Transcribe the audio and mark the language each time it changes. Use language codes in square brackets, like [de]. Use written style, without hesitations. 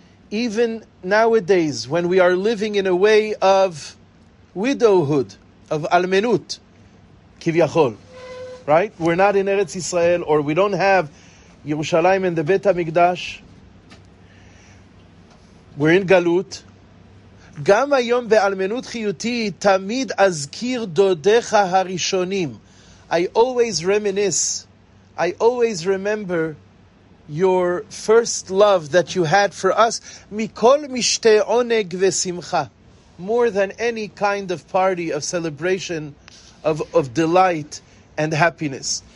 [en] Even nowadays, when we are living in a way of widowhood, of almenut, kivyachol, right? We're not in Eretz Yisrael, or we don't have Yerushalayim and the Beit HaMikdash. We're in galut. [he] גם היום באלמנות חיותי תמיד אזכיר דודיך הראשונים. [en] I always reminisce, I always remember your first love that you had for us, [he] מכל משתה עונג ושמחה, [en] more than any kind of party, of celebration, of delight and happiness.